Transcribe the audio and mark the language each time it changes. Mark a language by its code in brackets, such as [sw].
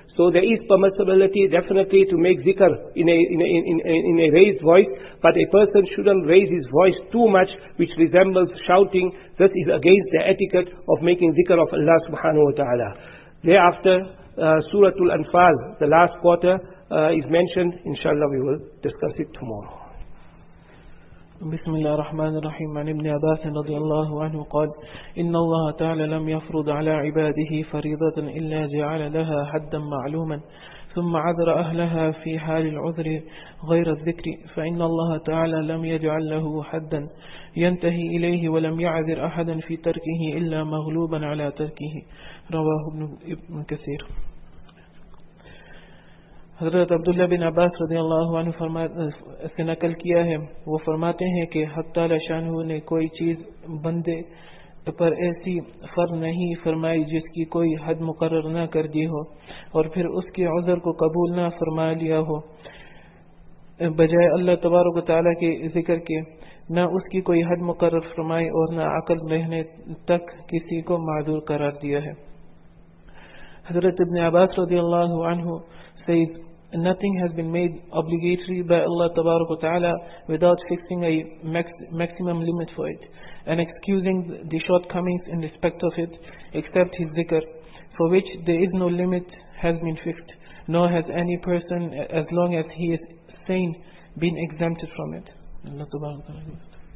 [en] So there is permissibility definitely to make zikr in a raised voice, but a person shouldn't raise his voice too much, which resembles shouting. This is against the etiquette of making zikr of Allah Subhanahu Wa Ta'ala. Thereafter, Suratul Anfal, the last quarter, is mentioned. Inshallah, we will discuss it tomorrow. [ar] بسم الله الرحمن الرحيم. عن ابن عباس رضي الله عنه قال: إن الله تعالى لم يفرض على عباده فريضة إلا جعل لها حدا معلوما، ثم عذر أهلها في حال العذر غير الذكر، فإن الله تعالى لم يجعل له حدا ينتهي إليه، ولم يعذر أحدا في تركه إلا مغلوبا على تركه. رواه ابن كثير. [ur] حضرت عبداللہ بن عباس رضی اللہ عنہ سے نقل کیا ہے، وہ فرماتے ہیں کہ حق تعالی شانہ نے کوئی چیز بندے پر ایسی فرض نہیں فرمائی جس کی کوئی حد مقرر نہ کر دی ہو اور پھر اس کے عذر کو قبول نہ فرما لیا ہو، بجائے اللہ تبارک و تعالی کے ذکر کے نہ اس کی کوئی حد مقرر فرمائی اور نہ عقل رہنے تک کسی کو معذور قرار دیا ہے. حضرت ابن عباس رضی اللہ عنہ [en] says, nothing has been made obligatory by Allah Tabaraka Ta'ala without fixing a maximum limit for it and excusing the shortcomings in respect of it, except his zikr, for which there is no limit has been fixed, nor has any person, as long as he is sane, been exempted from it. Allah Tabaraka Ta'ala.